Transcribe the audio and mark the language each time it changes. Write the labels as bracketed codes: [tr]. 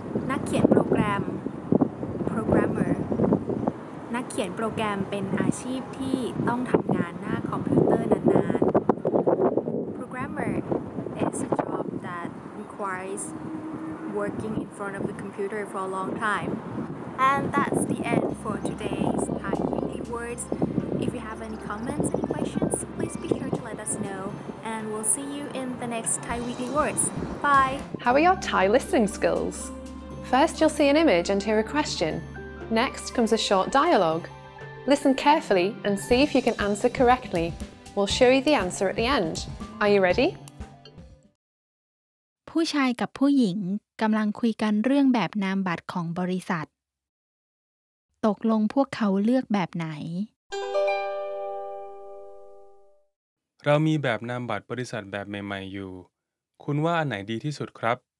[th] นักเขียนโปรแกรม Programmer. นักเขียนโปรแกรมเป็นอาชีพที่ต้องทำงานหน้าคอมพิวเตอร์นานๆ [en] Programmer is a job that requires working in front of the computer for a long time. And that's the end for today's Thai Weekly Words. If you have any comments and questions, please be sure to let us know. And we'll see you in the next Thai Weekly Words. Bye! How are your Thai listening skills? First, you'll see an image and hear a question. Next comes a short dialogue. Listen carefully and see if you can answer correctly. We'll show you the answer at the end. Are you ready? [th] ผู้ชายกับผู้หญิงกำลังคุยกันเรื่องแบบนามบัตรของบริษัทตกลงพวกเขาเลือกแบบไหน เรามีแบบนามบัตรบริษัทแบบใหม่ๆอยู่คุณว่าอันไหนดีที่สุดครับ